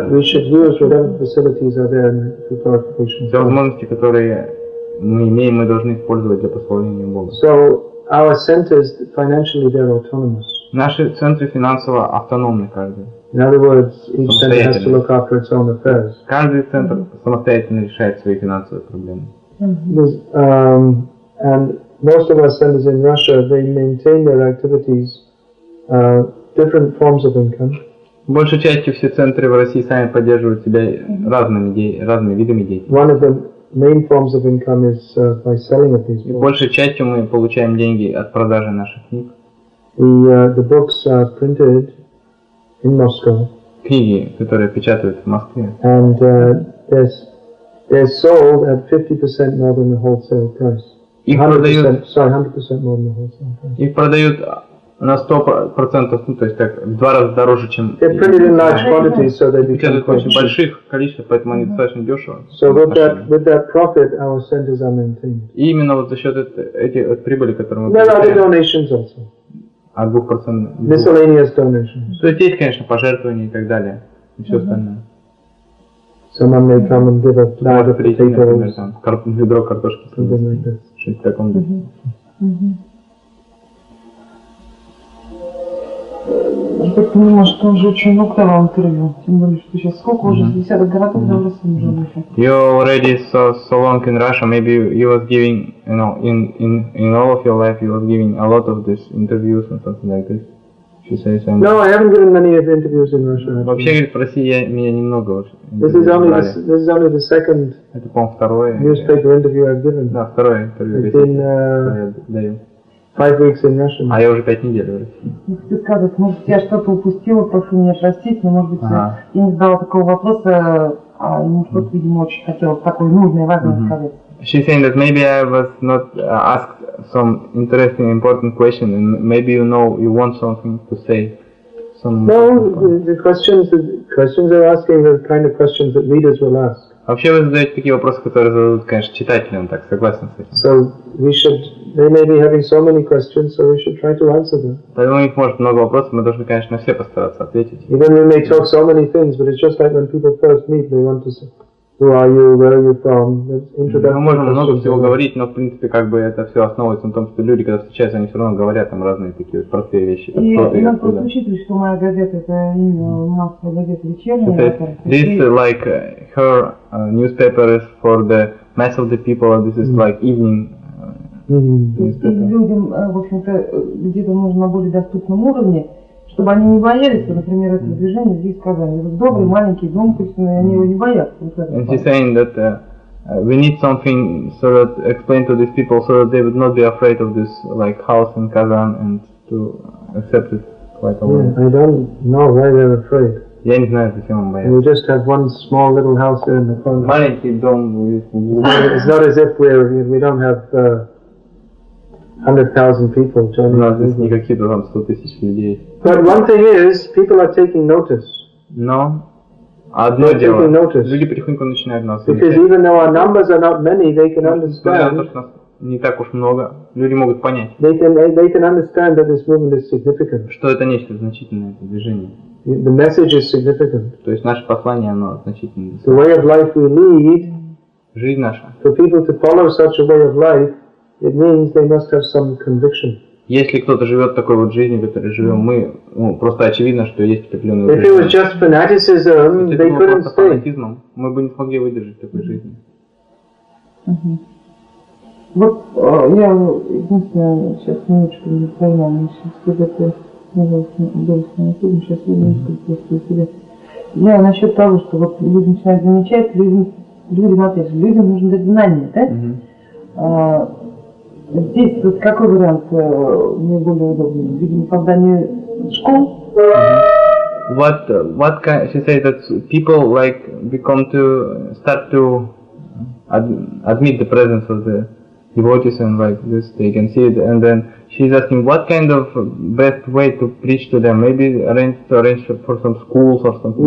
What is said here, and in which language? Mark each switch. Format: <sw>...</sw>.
<en>But we should use whatever facilities are there for glorification.</en> <ru>Все возможности, которые мы имеем, мы должны использовать для прославления Бога.</ru> <en>So our centers financially they're autonomous.</en> <ru>Наши центры финансово автономны каждый.</ru> <en>In other words, each center has to look after its own affairs.</en> <ru>Каждый центр самостоятельно решает свои финансовые проблемы.</ru> <en>And most of our centers in Russia, they maintain their activities, different forms of income.</en> <ru>Большей частью все центры в России сами поддерживают себя разными видами деятельности.</ru> <en>One of the main forms of income is by selling of these books.</en> <ru>Большей частью мы получаем деньги от продажи наших книг.</ru> <en>The books are printed in Moscow.</en> <ru>Книги, которые печатают в Москве.</ru> <en>And they're sold at 50% more than the wholesale price. 100% more than the wholesale price.</en> <ru>Их продают на 100%, ну, то есть так, в два раза дороже, чем...</ru> <en>They're printed in large quantities, so they become quite cheap.</en> <ru>Больших количествах, поэтому они достаточно дешево.</ru> <en>So with that profit, our centers are maintained.</en> <ru>И именно вот за счет этой прибыли, которую мы...</ru> <en>There are donations also.</en> <ru>А 2%...</ru> <en>Miscellaneous donations.</en> <ru>То есть есть, конечно, пожертвования и так далее. И все остальное.</ru> <en>Someone may come and give a bag of potatoes.</en> <ru>Ведро картошки.</ru> <en>Something like this.</en> <ru>Что-нибудь в таком духе. Я так понимаю, что он же очень много дал интервью. Тем более, что сейчас сколько уже? 10 городов на Руси уже вышло.</ru> <en>You already so long in Russia. Maybe you was giving, you know, in all of your life, you was giving a lot of these interviews and something like this. She says, I'm... No, I haven't given many of the interviews in Russia. Actually.</en> <ru>Вообще, говорит, в России я, меня немного уже.</ru> <en>This is only the second</en> <ru>это, по-моему, второе,</ru> <en>newspaper interview I've given.</en> <ru>Да, второе интервью.</ru> <en>It's been, Five weeks in Russia.</en> <ru>А я уже 5 недель в России. Если сказать, может, я что-то упустила, прошу меня простить, но, может быть, я не задала такого вопроса, а ему что-то, видимо, очень хотелось такое нужное и важное сказать.</ru> <en>She's saying that maybe I was not asked some interesting, important question, and maybe you know, you want something to say. The questions they're asking are the kind of questions that leaders will ask.</en> <ru>Вообще вы задаете такие вопросы, которые зададут, конечно, читателям, так согласен с этим.</ru> <en>So we should, they may be having so many questions, so we should try to answer them.</en> <ru>Поэтому у них может много вопросов, мы должны, конечно, на все постараться ответить.</ru> <en>Even we may talk so many things, but it's just like when people first meet, they want to Who are you? Where are you from? Introduction.</en> <ru>Мы можем много всего говорить, но в принципе как бы это все основывается на том, что люди, когда встречаются, они все равно говорят там разные такие простые вещи. И нам просто учитывать, что моя газета — это массовая газета вечерняя.</ru> <en>This like her newspaper is for the mass of the people. This is like evening.</en> <ru>И людям, в общем-то, где-то нужно на более доступном уровне, чтобы они не боялись, что, например, это движение здесь в Казани. Это добрый, маленький дом, то есть они его не боятся.</ru> <en>And she's saying that we need something so that explain to these people so that they would not be afraid of this like house in Kazan and to accept it quite a lot. Yeah, I don't know why they're afraid.</en> <ru>Я не знаю, зачем он боится.</ru> <en>We just have one small little house here in the front.</en> <ru>Маленький дом.</ru> <en>It's not as if we don't have 100,000 people joining.</en> <ru>No, здесь не какие-то там 100 тысяч людей.</ru> <en>But one thing is, people are taking notice.</en> <ru>No. Одно дело. Люди потихоньку начинают нас замечать.</ru> <en>Because even though our numbers are not many, they can understand.</en> <ru>Не так уж много. Люди могут понять.</ru> <en>They can understand that this movement is significant.</en> <ru>Что это нечто значительное, это движение.</ru> <en>The message is significant.</en> <ru>То есть наше послание, оно значительное.</ru> <en>The way of life we lead.</en> <ru>Жизнь наша.</ru> <en>For people to follow such a way of life, it means they must have some conviction.</en> <ru>Если кто-то живет такой вот жизнью, которой живем мы, ну, просто очевидно, что есть определенные</ru> <en>If it was just fanaticism, they couldn't stay.</en> <ru>Если бы было просто фанатизмом, мы бы не смогли выдержать такой жизни. Вот я единственное, сейчас немножечко не понимаю, сейчас когда ты делаешь на YouTube, сейчас я немножко спросил тебя. Я насчет того, что вот люди начинают замечать, людям, опять же, людям нужно дать знания, да? Здесь вот какой вариант мне более удобный? Видимо, создание школ?</ru> <en>What can she say that people like become to start to admit the presence of the devotees and like this, they can see it. And then she's asking what kind of best way to preach to them, maybe arrange for some schools or something.</en>